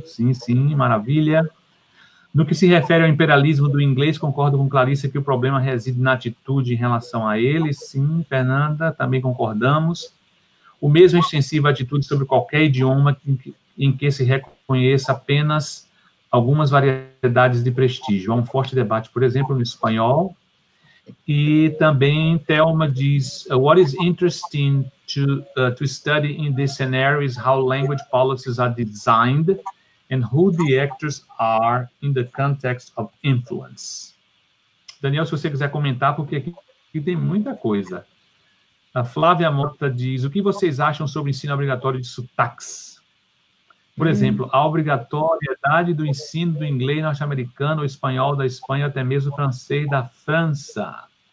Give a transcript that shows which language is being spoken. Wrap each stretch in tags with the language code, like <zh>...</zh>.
<pt>Sim, sim, maravilha. No que se refere ao imperialismo do inglês, concordo com Clarissa que o problema reside na atitude em relação a ele. Sim, Fernanda, também concordamos. O mesmo extensivo atitude sobre qualquer idioma em que se reconheça apenas algumas variedades de prestígio. Há um forte debate, por exemplo, no espanhol. E também Thelma diz,</pt> <en>what is interesting to study in this scenario is how language policies are designed and who the actors are in the context of influence.</en> <pt>Daniel, se você quiser comentar, porque aqui tem muita coisa. A Flávia Mota diz, o que vocês acham sobre o ensino obrigatório de sotaques? Por exemplo, a obrigatoriedade do ensino do inglês norte-americano, ou espanhol da Espanha, até mesmo francês da França.</pt>